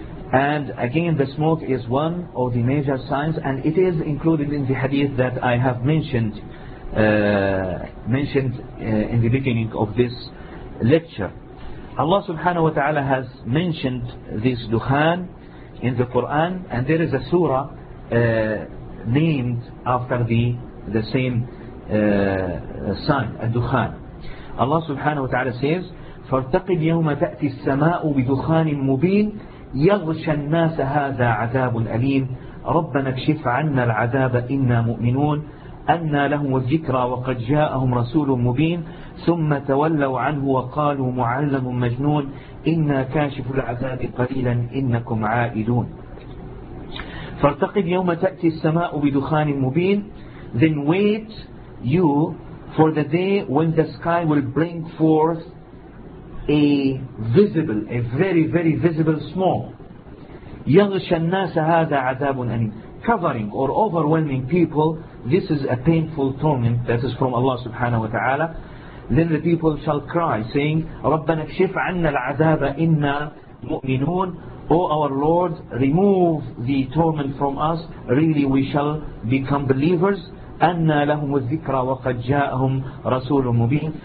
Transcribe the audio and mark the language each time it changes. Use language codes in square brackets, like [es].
[en] And again, the smoke is one of the major signs, and it is included in the hadith that I have mentioned in the beginning of this lecture. Allah subhanahu wa ta'ala has mentioned this dukhan in the Quran, and there is a surah named after the same sign, ad-dukhan. Allah subhanahu wa ta'ala says, [ar] فَارْتَقِبْ يَوْمَ تَأْتِي السَّمَاءُ بِدُخَانٍ مُبِينٍ يَغْشَ النَّاسَ هَذَا عَذَابٌ أَلِيمٌ رَبَّنَا اكْشِفْ عَنَّا الْعَذَابَ إِنَّا مُؤْمِنُونَ أنا لهم الذكرى وقد جاءهم رسول مبين ثم تولوا عنه وقالوا معلم مجنون إنا كاشف العذاب قليلا إنكم عائدون. فارتقب يوم تأتي السماء بدخان مبين. [en] Then wait you for the day when the sky will bring forth a very, very visible smoke. [ar] يغشى الناس هذا عذاب أليم. [en] Covering or overwhelming people, this is a painful torment that is from Allah subhanahu wa ta'ala. Then the people shall cry, saying, [ar] رَبَّنَا اكْشِفْ عَنَّا الْعَذَابَ إِنَّا مُؤْمِنُونَ. [en] O our Lord, remove the torment from us. Really, we shall become believers. [ar] أَنَّا لَهُمُ الذِّكْرَ وَقَدْ جَاءَهُمْ رَسُولٌ مُبِينٌ.